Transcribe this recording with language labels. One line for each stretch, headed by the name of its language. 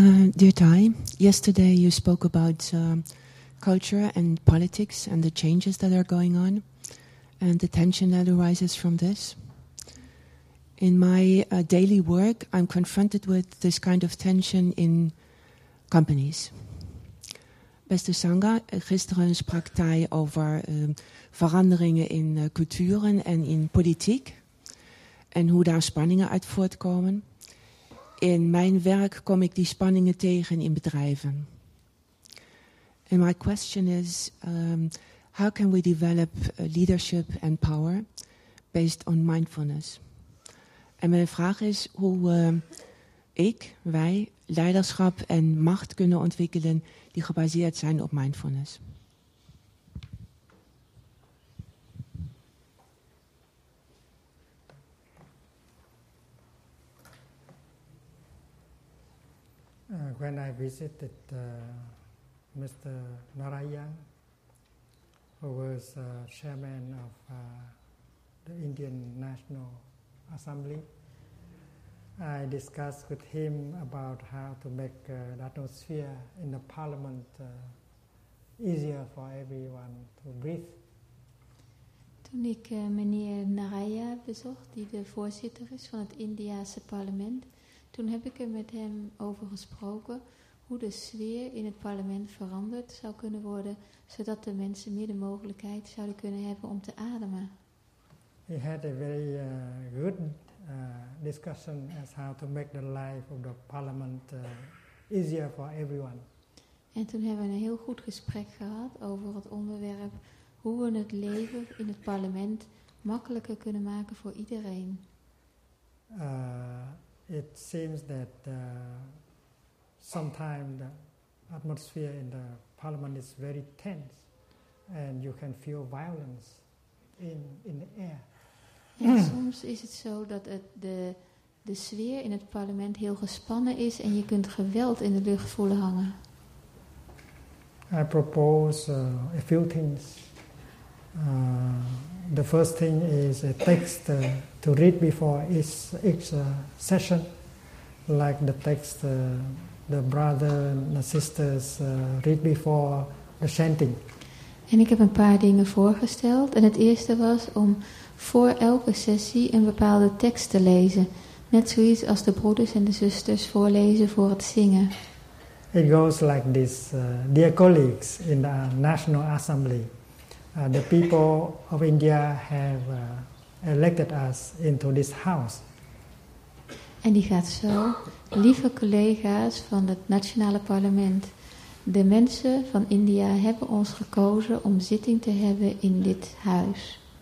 English: Dear Thay, yesterday you spoke about culture and politics and the changes that are going on and the tension that arises from this. In my daily work, I'm confronted with this kind of tension in companies.
Dutch: Beste Sangha, gisteren sprak Thay over veranderingen in culturen en in politiek en hoe daar spanningen uit voortkomen. In mijn werk kom ik die spanningen tegen in bedrijven.
English: And my question is, how can we develop leadership and power based on mindfulness?
Dutch: En mijn vraag is hoe wij leiderschap en macht kunnen ontwikkelen die gebaseerd zijn op mindfulness.
English: When I visited Mr. Narayan, who was chairman of the Indian National Assembly, I discussed with him about how to make the atmosphere in the parliament easier for everyone to breathe.
Dutch: Toen ik meneer Narayan bezocht, die de voorzitter is van het Indiase parlement, toen heb ik er met hem over gesproken hoe de sfeer in het parlement veranderd zou kunnen worden, zodat de mensen meer de mogelijkheid zouden kunnen hebben om te ademen.
English: He had a very good discussion as how to make the life of the parliament easier for everyone.
Dutch: En toen hebben we een heel goed gesprek gehad over het onderwerp hoe we het leven in het parlement makkelijker kunnen maken voor iedereen.
English: It seems that sometimes the atmosphere in the parliament is very tense and you can feel violence in the air.
Dutch: En soms is het zo dat het de sfeer in het parlement heel gespannen is en je kunt geweld in de lucht voelen hangen.
English: I propose a few things. The first thing is a text to read before each session, like the text the brother and the sisters read before the chanting.
Dutch: En ik heb een paar dingen voorgesteld. En het eerste was om voor elke sessie een bepaalde tekst te lezen. Net zoiets als de broeders en de zusters voorlezen voor het zingen.
English: It goes like this. Dear colleagues in the National Assembly, the people of India have elected us into this house.
Dutch: En die gaat zo. Lieve collega's van het Nationale Parlement, de mensen van India hebben ons gekozen om zitting te hebben in dit huis.